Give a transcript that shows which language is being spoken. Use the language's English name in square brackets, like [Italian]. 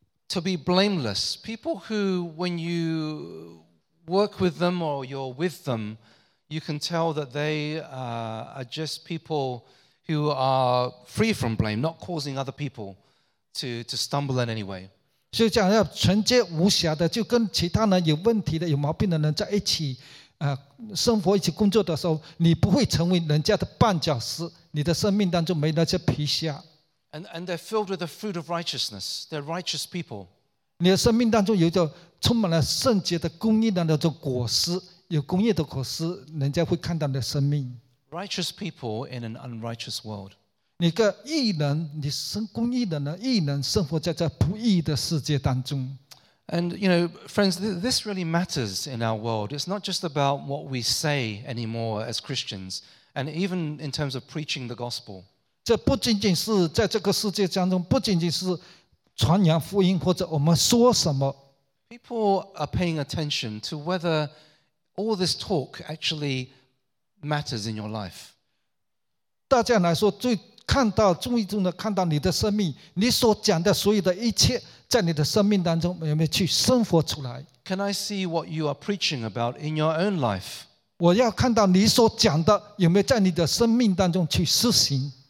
[English] To be blameless, people who, when you work with them or you're with them, you can tell that they are just people who are free from blame, not causing other people to stumble in any way. [Chinese] 所以讲要纯洁无瑕的，就跟其他人有问题的、有毛病的人在一起。生活一起工作的时候，你不会成为人家的绊脚石，你的生命当中没那些皮屑。 [English] And they're filled with the fruit of righteousness. They're righteous people. [Chinese] 你的生命当中有着充满了圣洁的公义的那种果实，有公义的果实，人家会看到你的生命。 [English] Righteous people in an unrighteous world. [Chinese] 你个义人，你身公义的呢？义人生活在这不义的世界当中。 [English] And you know, friends, this really matters in our world. It's not just about what we say anymore as Christians, and even in terms of preaching the gospel. [Chinese] 这不仅仅是在这个世界当中，不仅仅是传扬福音或者我们说什么。 [English] People are paying attention to whether all this talk actually matters in your life. [Chinese] 大家来说最看到注意中的看到你的生命，你所讲的所有的一切，在你的生命当中有没有去生活出来 [English] ？Can I see what you are preaching about in your own life？ [Chinese] 我要看到你所讲的有没有在你的生命当中去实行